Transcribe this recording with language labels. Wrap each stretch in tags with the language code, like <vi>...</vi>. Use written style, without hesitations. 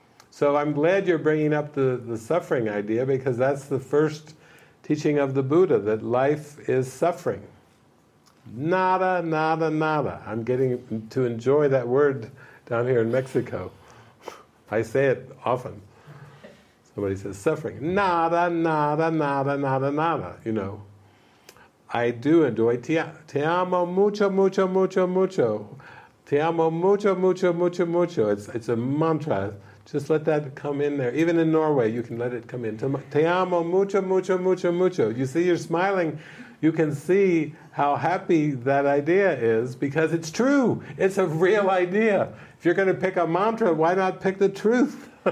<en>So I'm glad you're bringing up the suffering idea, because that's the first teaching of the Buddha, that life is suffering.</en> <es>Nada, nada, nada.</es> <en>I'm getting to enjoy that word down here in Mexico. I say it often. Somebody says, suffering.</en> <es>Nada, nada, nada, nada, nada,</es> <en>you know. I do enjoy.</en> <es>Te amo mucho, mucho, mucho, mucho. Te amo mucho, mucho, mucho, mucho.</es> <en>It's a mantra. Just let that come in there. Even in Norway, you can let it come in.</en> <es>Te amo mucho, mucho, mucho, mucho.</es> <en>You see, you're smiling. You can see how happy that idea is, because it's true. It's a real idea. If you're going to pick a mantra, why not pick the truth?</en>